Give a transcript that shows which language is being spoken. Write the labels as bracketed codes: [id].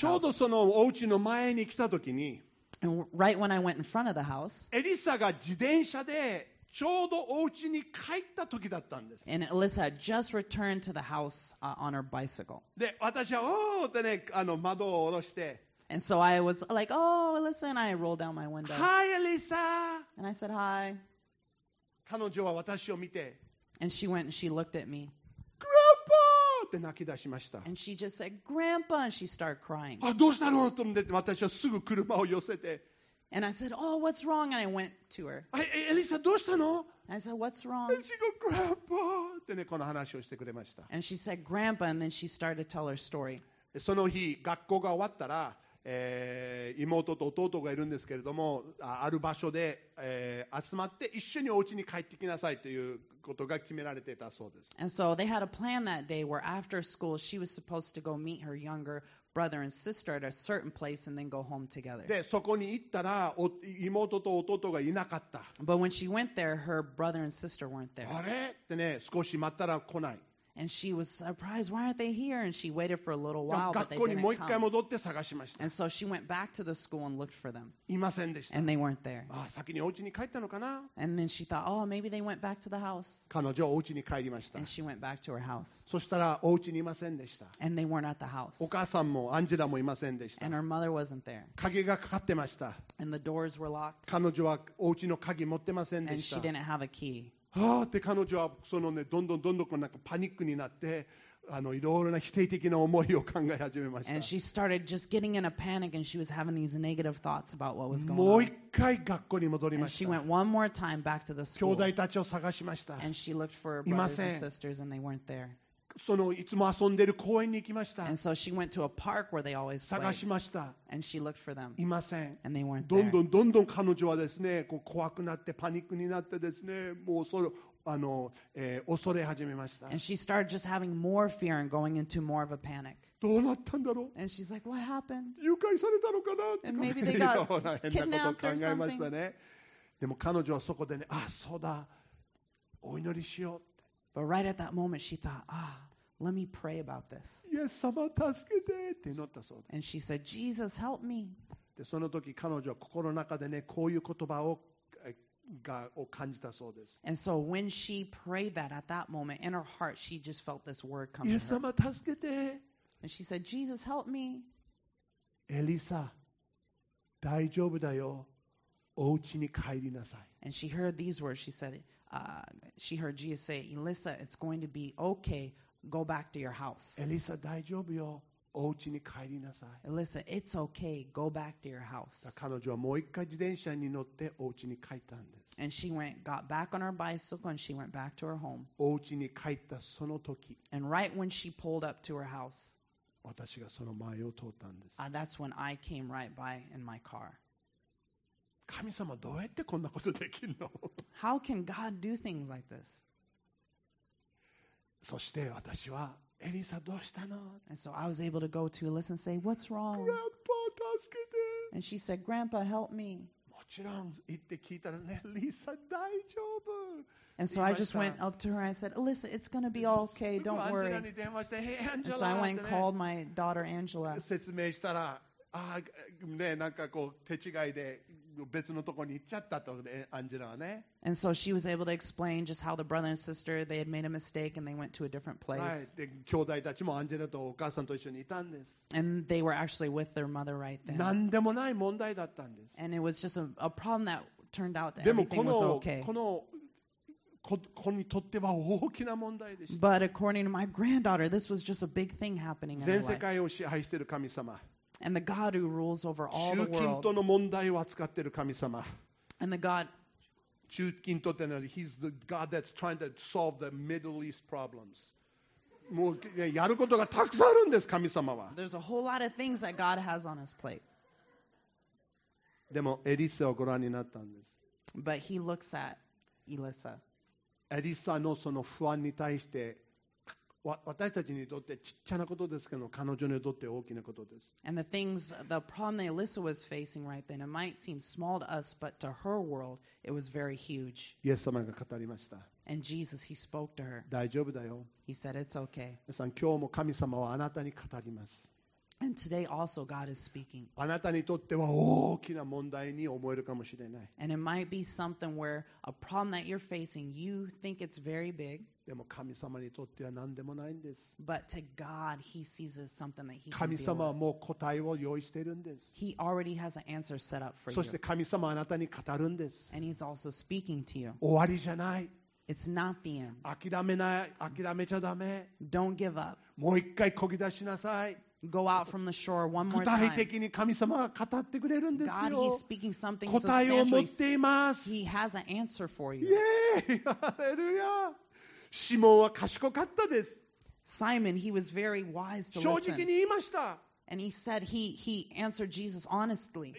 [ja] ちょうどそのお家の前に来た時に、 [en] And right when I went in front of the house, [ja] エリサが自転車でちょうどお家に帰った時だったんです。 [en] And Elisa had just returned to the house, on her bicycle. [ja] で、私はおーってね、窓を下ろして。 [en] And so I was like, oh, Elisa, and I rolled down my window. Hi, Elisa! And I said, hi. [ja] 彼女は私を見て。 [en] And she went and she looked at me. [ja] Grandpa! って泣き出しました。 [en] And she just said, Grandpa! And she started crying. [ja] あ、どうしたの? と思って私はすぐ車を寄せて。 [en] And I said, oh, what's wrong? And I went to her. [ja] Elisa, どうしたの? [en] And I said, what's wrong? And she goes, Grandpa! [ja] ってね、この話をしてくれました。 [en] And she said, Grandpa, and then she started to tell her story. [ja] その日、学校が終わったら、妹と弟がいるんですけれども、ある場所で、集まって一緒にお家に帰ってきなさいということが決められていたそうです。 [en] And so they had a plan that day where after school, she was supposed to go meet her younger brother and sister at a certain place and then go home together. [ja] で、そこに行ったら妹と弟がいなかった。 [en] But when she went there, her brother and sister weren't there. [ja] あれ? でね、少し待ったら来ない。 [en] And she was surprised, why aren't they here? And she waited for a little while, but they didn't come. [ja] 学校にもう一回戻って探しました。 [en] And so she went back to the school and looked for them. [ja] いませんでした。 [en] And they weren't there. [ja] あ、先にお家に帰ったのかな? [en] And then she thought, oh, maybe they went back to the house. [ja] 彼女はお家に帰りました。 [en] And she went back to her house. [ja] そしたらお家にいませんでした。 [en] And they weren't at the house. [ja] お母さんもアンジェラもいませんでした。 [en] And her mother wasn't there. [ja] 鍵がかかってました。 [en] And the doors were locked. [ja] 彼女はお家の鍵持ってませんでした。 [en] And she didn't have a key. [ja] はあって彼女はそのね、どんどんどんどんなんかパニックになって、いろいろな否定的な思いを考え始めました。 [en] And she started just getting in a panic and she was having these negative thoughts about what was going on. [ja] もう一回学校に戻りました。 [en] And she went one more time back to the school. [ja] 兄弟たちを探しました。 [en] And she looked for her brothers and sisters and they weren't there. [ja] そのいつも遊んでる公園に行きました。 [en] And so she went to a park where they always played. [ja] 探しました。 [en] And she looked for them. [ja] いません。 [en] And they weren't there. [ja] どんどんどんどん彼女はですね、こう怖くなってパニックになってですね、もう恐る、恐れ始めました。 [en] And she started just having more fear and going into more of a panic. [ja] どうなったんだろう。 [en] And she's like, what happened? [ja] 誘拐されたのかな。 [en] And maybe they got kidnapped or something. [ja] 考えましたね。でも彼女はそこでね、あ、そうだ、お祈りしよう。 [en] But right at that moment, she thought, ah, let me pray about this. [ja] Yes, 様助けてって祈ったそうです。 [en] And she said, Jesus, help me. [ja] で、その時彼女は心の中でね、こういう言葉を感じたそうです。 [en] And so when she prayed that at that moment, in her heart, she just felt this word come to her. [ja] Yes, 様助けて。 [en] And she said, Jesus, help me. [ja] エリサ、大丈夫だよ。お家に帰りなさい。 [en] And she heard these words. She said it. She heard Jesus say, Elisa, it's going to be okay. Go back to your house. [ja] Elisa, 大丈夫よ。お家に帰りなさい。 [en] Elisa, it's okay. Go back to your house. [ja] 彼女はもう一回自転車に乗ってお家に帰ったんです。 [en] And she went, got back on her bicycle and she went back to her home. [ja] お家に帰ったその時。 [en] And right when she pulled up to her house, [ja] 私がその前を通ったんです。 [en] That's when I came right by in my car. [ja] 神様どうやってこんなことできるの [en] How can God do things like this? [ja] そして私はエリサどうしたの [en] And so I was able to go to Elisa and say, what's wrong? [ja] Grandpa, 助けて [en] And she said, Grandpa, help me. [ja] もちろん言って聞いたらね、エリサ大丈夫 [en] And so I just went up to her and I said, Elisa, it's going to be okay, don't worry. [ja] すぐアンジェラに電話して、 [en] Hey, Angela! And so I went and called my daughter, Angela. [ja] 説明したら、ね、なんかこう手違いで別のところに行っちゃったと、ね、アンジェラはね。 [en] And so she was able to explain just how the brother and sister they had made a mistake and they went to a different place. [ja] はい。で、兄弟たちもアンジェラとお母さんと一緒にいたんです。 [en] And they were actually with their mother right then. [ja] なんでもない問題だったんです。 [en] And it was just a problem that turned out that everything was okay. [ja] でもこにとっては大きな問題でした。 [en] But according to my granddaughter, this was just a big thing happening in her life. [ja] 全世界を支配している神様。 [en] And the God who rules over all the world. [ja] 中近東の問題を扱っている神様。 [en] And the God. [ja] 中近東ってのは、 [en] He's the God that's trying to solve the Middle East problems. [ja] もう、ね、やることがたくさんあるんです、神様は。 [en] There's a whole lot of things that God has on His plate. [ja] でも、エリサをご覧になったんです。 [en] But He looks at Elisa. [ja] エリサのその不安に対して、私たちにとってちっちゃなことですけど、彼女にとって大きなことです。 [en] And the things, the problem that Elisa was facing right then, it might seem small to us, but to her world, it was very huge. [ja] イエス様が語りました。 [en] And Jesus, he spoke to her. [ja] 大丈夫だよ。 [en] He said, it's okay. [ja] 皆さん、今日も神様はあなたに語ります。 [en] And today also God is speaking. [ja] あなたにとっては大きな問題に思えるかもしれない。 [en] And it might be something where a problem that you're facing, you think it's very big. [ja] でも神様にとっては何でもないんです。 [en] But to God, he sees as something that he can deal with. [ja] 神様はもう答えを用意しているんです。 [en] He already has an answer set up for you. [ja] そして神様はあなたに語るんです。 [en] And he's also speaking to you. [ja] 終わりじゃない。 [en] It's not the end. [ja] 諦めちゃダメ。 [en] Don't give up. [ja] もう一回漕ぎ出しなさい。 [en] Go out from the shore one more time. [ja] 具体的に神様が語ってくれるんですよ。 [en] God, he's speaking something substantial. [ja] 答えを持っています。 [en] He has an answer for you. [ja] イエーイ、ハレルヤ。シモンは賢かったです。 [en] Simon, he was very wise to listen. [ja] 正直に言いました。 [en] And he said he answered Jesus honestly.